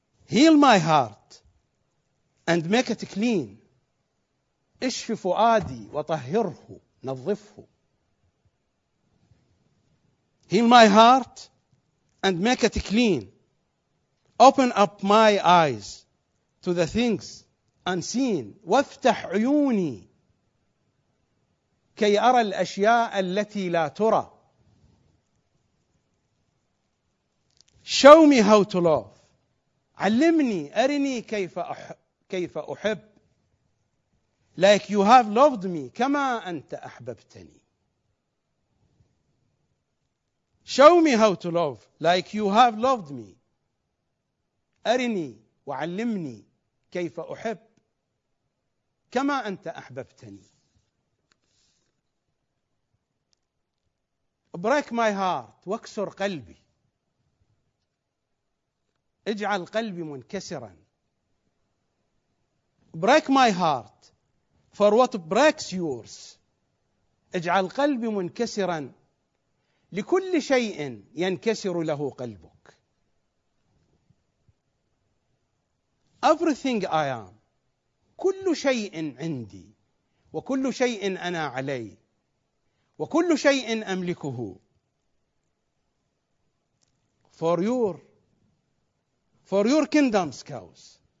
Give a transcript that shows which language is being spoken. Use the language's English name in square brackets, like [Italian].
[English] Heal my heart and make it clean، [Arabic] اشف فؤادي وطهره، نظفه. [English] heal my heart and make it clean. Open up my eyes to the things unseen. [Arabic] وافتح عيوني كي أرى الأشياء التي لا ترى. [English] Show me how to love. [Arabic] علمني أرني كيف أحب. [English] Like you have loved me [Arabic] كما أنت أحببتني. [English] Show me how to love like you have loved me. [Arabic] أرني وعلمني كيف أحب كما أنت أحببتني. [English] Break my heart [Arabic] واكسر قلبي. اجعل قلبي منكسرا. [English] Break my heart for what breaks yours. [Arabic] اجعل قلبي منكسرا لكل شيء ينكسر له قلبك. [English] Everything I am. [Arabic] كل شيء عندي وكل شيء أنا عليه وكل شيء أملكه. [English] For your kingdom's cause.